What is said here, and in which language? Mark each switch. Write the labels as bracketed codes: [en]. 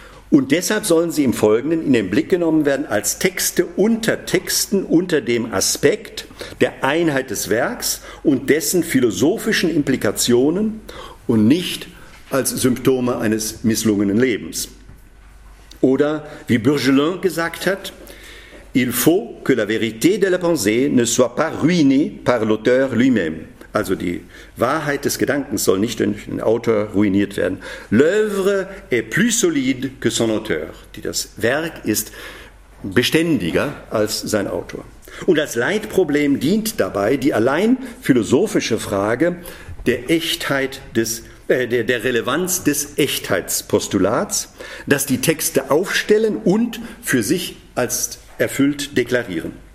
[de] Und deshalb sollen sie im Folgenden in den Blick genommen werden als Texte unter Texten unter dem Aspekt der Einheit des Werks und dessen philosophischen Implikationen und nicht als Symptome eines misslungenen Lebens. Oder wie Bergelin gesagt hat, [fr] il faut que la vérité de la pensée ne soit pas ruinée par l'auteur lui-même. [de] Also die Wahrheit des Gedankens soll nicht durch den Autor ruiniert werden. [fr] L'œuvre est plus solide que son auteur. [de] Das Werk ist beständiger als sein Autor. Und als Leitproblem dient dabei die allein philosophische Frage der Echtheit des der Relevanz des Echtheitspostulats, das die Texte aufstellen und für sich als erfüllt deklarieren.